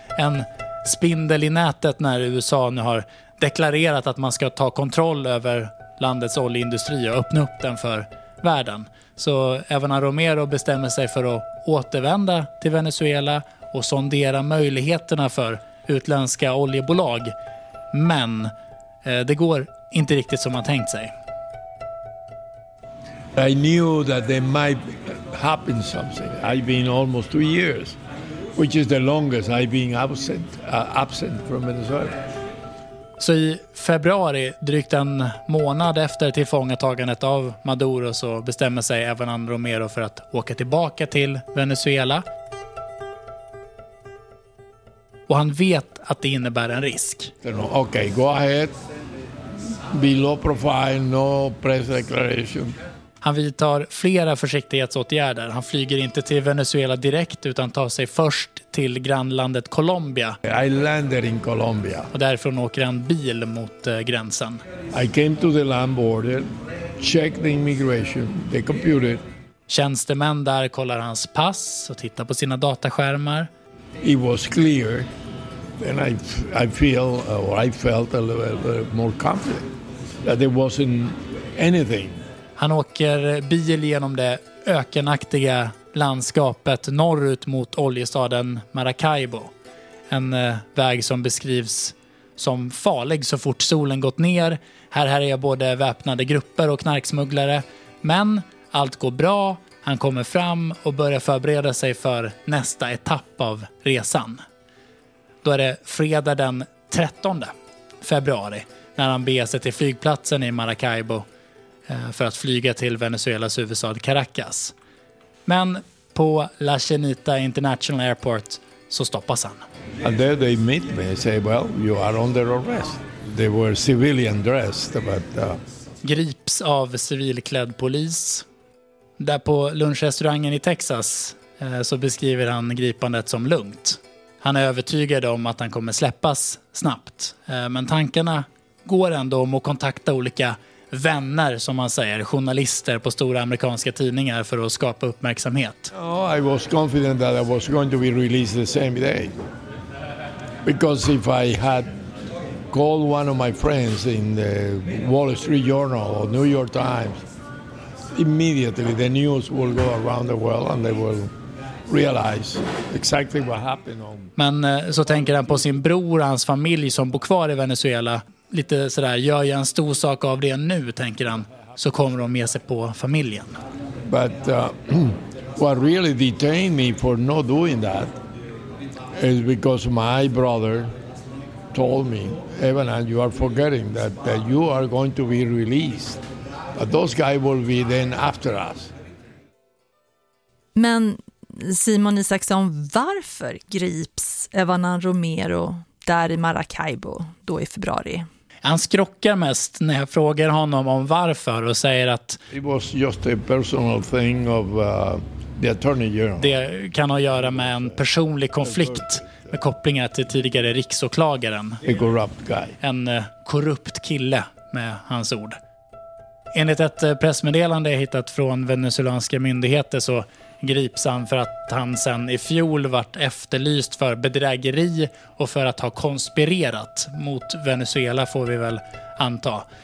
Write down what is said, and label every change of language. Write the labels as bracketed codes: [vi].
[sv] En spindel i nätet när USA nu har deklarerat att man ska ta kontroll över landets oljeindustri och öppna upp den för världen. Så Evanan Romero bestämmer sig för att återvända till Venezuela och sondera möjligheterna för utländska oljebolag. Men det går inte riktigt som man tänkt sig. [en] I knew that there might happen something. I've been almost 2 years, which is the longest I've been absent from Venezuela. [sv] Så i februari, drygt en månad efter tillfångatagandet av Maduro, så bestämmer sig Evanan Romero för att åka tillbaka till Venezuela. Och han vet att det innebär en risk. [en] Okay, go ahead. Be low profile, no press declaration. [sv] Han vidtar flera försiktighetsåtgärder. Han flyger inte till Venezuela direkt utan tar sig först till grannlandet Colombia. [en] I landed in Colombia. [sv] Och därifrån åker han bil mot gränsen. [en] I came to the land border, checked the immigration, the computer. [sv] Tjänstemän där kollar hans pass och tittar på sina dataskärmar. [en] It was clear, and I felt a little more confident that there wasn't anything. [sv] Han åker bil genom det ökenaktiga landskapet norrut mot oljestaden Maracaibo. En väg som beskrivs som farlig så fort solen gått ner. Här härjar både väpnade grupper och knarksmugglare. Men allt går bra. Han kommer fram och börjar förbereda sig för nästa etapp av resan. Då är det fredag den 13 februari när han beger sig till flygplatsen i Maracaibo för att flyga till Venezuelas huvudstad Caracas. Men på La Chinita International Airport så stoppas han. [en] And there they meet me and say, well, you are under arrest. They were civilian dressed, but [sv] grips av civilklädd polis. Där på lunchrestaurangen i Texas så beskriver han gripandet som lugnt. Han är övertygad om att han kommer släppas snabbt. Men tankarna går ändå om att kontakta olika vänner, som man säger, journalister på stora amerikanska tidningar för att skapa uppmärksamhet. [en] Oh, I was confident that I was going to be released the same day. Because if I had called one of my friends in the Wall Street Journal or New York Times, immediately the news will go around the world and they will realize exactly what happened. [sv] Men så tänker han på sin bror och hans familj som bor kvar i Venezuela. Lite sådär, gör jag en stor sak av det nu, tänker han, så kommer de med sig på familjen. [en] But what really detained me for not doing that is because my brother told me, Evanan, you are forgetting that you are going to be released. But those guys will be then after us. [sv] Men Simon Isaksson, varför grips Evanan Romero där i Maracaibo då i februari? Han skrockar mest när jag frågar honom om varför och säger att [en] it was just a personal thing of the attorney general. [sv] Det kan ha att göra med en personlig konflikt med kopplingar till tidigare riksåklagaren. [en] A corrupt guy. [sv] En korrupt kille, med hans ord. Enligt ett pressmeddelande jag hittat från venezuelanska myndigheter så grips han för att han sedan i fjol varit efterlyst för bedrägeri och för att ha konspirerat mot Venezuela, får vi väl anta.